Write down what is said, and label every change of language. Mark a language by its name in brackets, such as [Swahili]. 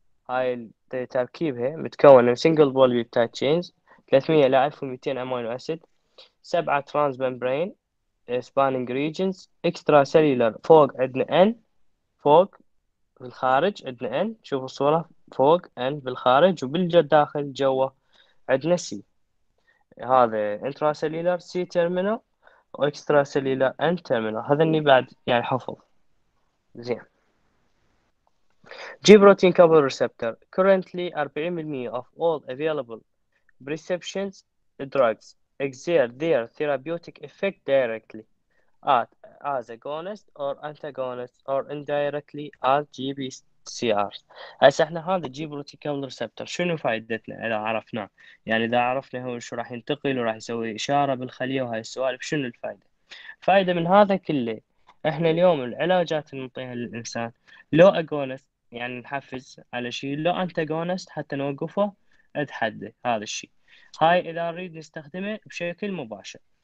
[Arabic] هاي تركيبها متكونة من [English] single polypeptide chains [Arabic] 300 إلى 1200 أمينو أسيد، سبعة [English] trans membrane spanning regions extra cellular، [Arabic] فوق عندنا N، فوق في الخارج عندنا N، شوفوا الصورة فوق N بالخارج وبالداخل جوا عندنا C، هذا [English] intracellular C terminal [Arabic] و [English] extracellular N terminal، [Arabic] هذا اللي بعد يعني حفظ. زين، جي بروتين كابل ريسبتور [English] currently 40% of all available prescription drugs exert their therapeutic effect directly at as agonist or antagonist or indirectly as GPCR. [Arabic] هسه احنا هذا جي بروتين كابل ريسبتور شنو فائدتنا اذا عرفناه؟ يعني اذا عرفنا هو شو راح ينتقل وراح يسوي اشاره بالخليه وهاي السوالف، شنو الفائده؟ فائده من هذا كله احنا اليوم العلاجات اللي نعطيها للانسان لو اجونست يعني نحفز على شيء، لو انتاغونست حتى نوقفه اتحدى هذا الشيء، هاي اذا نريد نستخدمه بشكل مباشر.